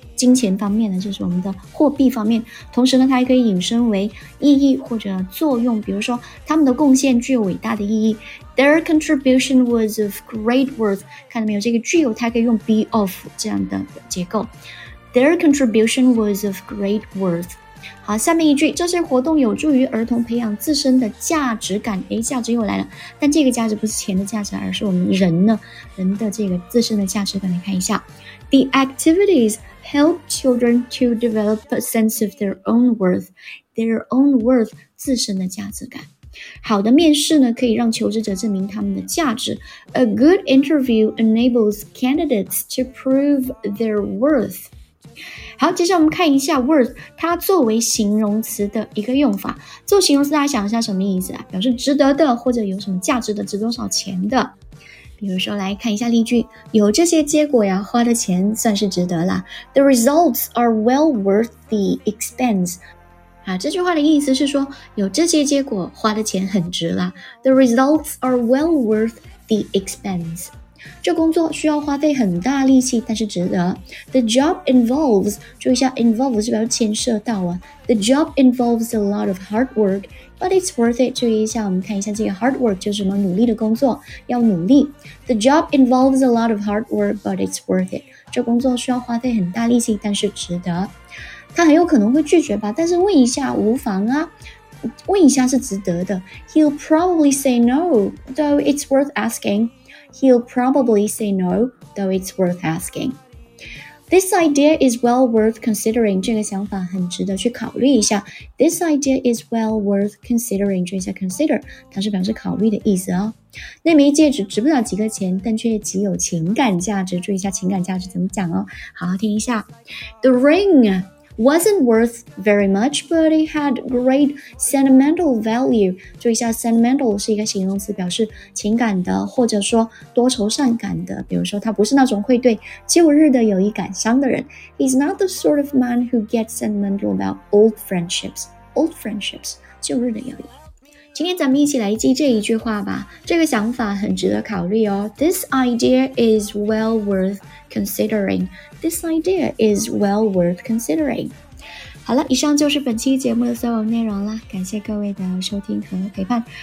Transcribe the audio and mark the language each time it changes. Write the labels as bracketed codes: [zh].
[zh] 金钱方面的，就是我们的货币方面，同时呢它还可以引申为意义或者作用，比如说他们的贡献具有伟大的意义， [en] Their contribution was of great worth， [zh] 看到没有，这个具有它可以用 be of 这样的结构， [en] Their contribution was of great worth。 [zh] 好，下面一句，这些活动有助于儿童培养自身的价值感。诶，价值又来了，但这个价值不是钱的价值，而是我们人呢，人的这个自身的价值感。 [en] 来看一下， The activities help children to develop a sense of their own worth， their own worth， [zh] 自身的价值感。好的面试呢，可以让求职者证明他们的价值。 [en] A good interview enables candidates to prove their worth。 [zh] 好，接下来我们看一下 worth， 它作为形容词的一个用法。做形容词大家想一下什么意思啊？表示值得的或者有什么价值的，值多少钱的。比如说来看一下例句，有这些结果呀，花的钱算是值得啦。 [en] The results are well worth the expense。 [zh] 啊，这句话的意思是说有这些结果花的钱很值啦。 [en] The results are well worth the expense。 [zh] 这工作需要花费很大力气，但是值得。 [en] The job involves， [zh] 注意一下 involves 是表示牵涉到啊。 [en] The job involves a lot of hard work， but it's worth it。 [zh] 注意一下，我们看一下这个 hard work 就是什么，努力的工作，要努力。 [en] The job involves a lot of hard work， but it's worth it。 [zh] 这工作需要花费很大力气，但是值得。他很有可能会拒绝吧，但是问一下无妨啊。问一下是值得的。 [en] He'll probably say no， though it's worth asking。 He'll probably say no, though it's worth asking. This idea is well worth considering. [zh] 这个想法很值得去考虑一下。 [en] This idea is well worth considering. [zh] 注意一下 consider， 它是表示考虑的意思哦。那枚戒指值不了几个钱，但却极有情感价值。注意一下情感价值怎么讲哦。好好听一下。 [en] The ring wasn't worth very much, but it had great sentimental value. [zh] 注意一下 sentimental 是一个形容词，表示情感的或者说多愁善感的。比如说他不是那种会对旧日的友谊感伤的人。 [en] He's not the sort of man who gets sentimental about old friendships. Old friendships, [zh] 旧日的友谊。今天咱们一起来记这一句话吧，这个想法很值得考虑哦。 [en] This idea is well worth considering. This idea is well worth considering. [zh] 好了，以上就是本期节目的所有内容了，感谢各位的收听和陪伴。